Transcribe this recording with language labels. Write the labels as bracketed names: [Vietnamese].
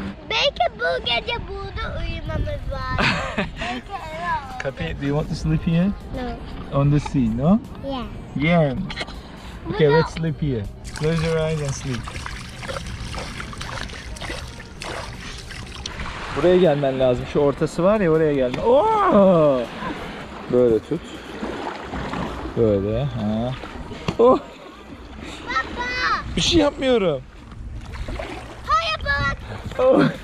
[Turkish] Belki bu gece burada uyumamız var. [English] Belki do you want to sleep here? No. On the sea, no? Yeah. Yeah. Okay, let's sleep here. Close your eyes and sleep. [Turkish] Buraya gelmen lazım. Şu ortası var ya, oraya gelmen. Oo! Böyle tut. Böyle. Ha. Oh! Baba! Bir şey yapmıyorum. Hayır bak! Oh!